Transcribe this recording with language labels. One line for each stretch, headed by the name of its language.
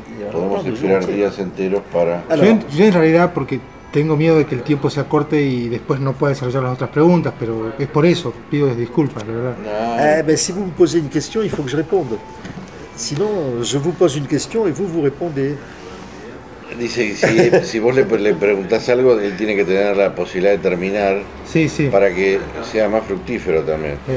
Spanish: Podemos esperar días enteros para. Yo, en realidad, porque. Tengo miedo de que el tiempo se acorte y después no pueda desarrollar las otras preguntas, pero es por eso, pido disculpas, la verdad.
French: Si vous me posez une question, il faut que je réponde. Sinon, je vous pose une question et vous répondez.
Spanish: Dice que si vos le preguntás algo, él tiene que tener la posibilidad de terminar, sí, sí, para que sea más fructífero también.